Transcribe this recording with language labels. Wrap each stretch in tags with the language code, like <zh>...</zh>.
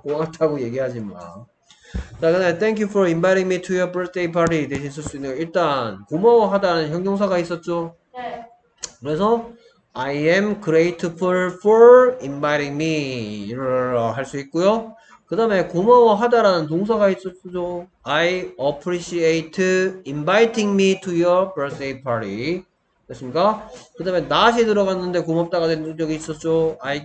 <ko>고맙다고 얘기하지 마. 자, 그다음에</ko> <en>Thank you for inviting me to your birthday party.</en> <ko>대신 쓸수 있는 거. 일단, 고마워하다는 형용사가 있었죠.</ko> <en>그래서, I am grateful for inviting me.</en> <ko>이러라라 할수 있고요. 그 다음에 고마워하다라는 동사가 있었죠.</ko> <en>I appreciate inviting me to your birthday party.</en> <ko>됐습니까? 그 다음에 not이 들어갔는데 고맙다가 된 적이 있었죠.</ko>